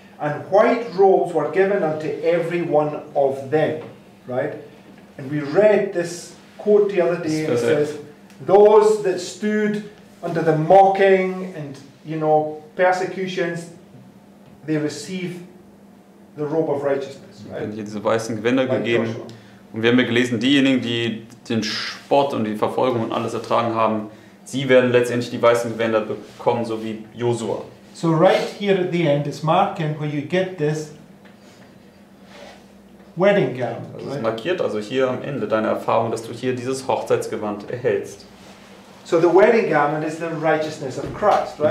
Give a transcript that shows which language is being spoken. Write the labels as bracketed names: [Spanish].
[English] And white robes were given unto every one of them. Right? And we read this quote the other day, and it says, those that stood under the mocking and, you know, persecutions, they receive the robe of righteousness, right? [German] Werden hier diese weißen Gewänder gegeben. Und wir haben ja gelesen, diejenigen, die den Spott und die Verfolgung und alles ertragen haben, sie werden letztendlich die weißen Gewänder bekommen, so wie Josua. [English] So right here at the end is marking where you get this wedding gown. [German] Also es markiert also hier am Ende deine Erfahrung, dass du hier dieses Hochzeitsgewand erhältst. [English] So the wedding garment is the righteousness of Christ, right?